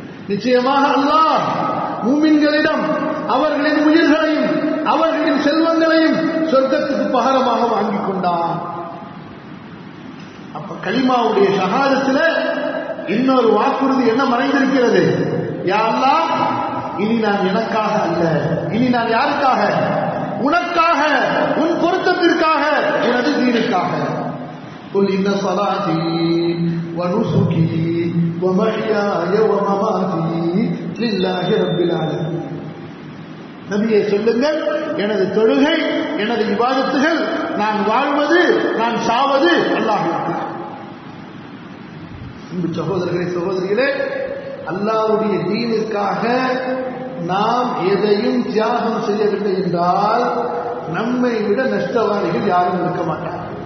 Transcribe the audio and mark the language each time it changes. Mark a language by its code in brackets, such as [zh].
[ta] நிச்சயமாக அல்லாஹ் மூமின்களிடம் அவர்களின் உயிர்களையும் அவர்களின் செல்வங்களையும் சொர்க்கத்துக்கு பகரமாக வாங்கிக் கொண்டான். அப்ப கலிமாவுடைய சகாதத்தில் இன்னொரு வாக்குறுதி என்ன மறைந்திருக்கிறது? யா அல்லாஹ், இனி நான் எனக்காக அல்ல, இனி நான் யாருக்காக? உனக்காக, உன் பொருத்தத்திற்காக, எனது வீடுக்காக. [ar] قل إن صلاتي ونسكي ومحياي ومماتي لله رب العالمين. [ta] நபியே சொல்லுங்கள், எனது தொழுகை, எனது இபாதத்துகள், நான் வாழ்வது, நான் சாவது அல்லாஹ்வுக்கு. இந்த சகோதரர்களே, சகோதரிகளே, அல்லாஹ்வுடைய தீனுக்காக நாம் எதையும் தியாகம் செய்யவில்லை என்றால் நம்மை விட நஷ்டவாளிகள் யாரும் இருக்க மாட்டார்.